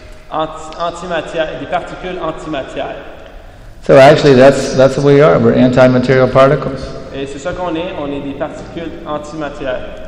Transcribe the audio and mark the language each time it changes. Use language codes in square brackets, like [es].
[fr] antimatière, des particules antimatière. [en] So actually, that's what we are. We're anti-material particles. [fr] Et c'est ça qu'on est. On est des particules antimatière.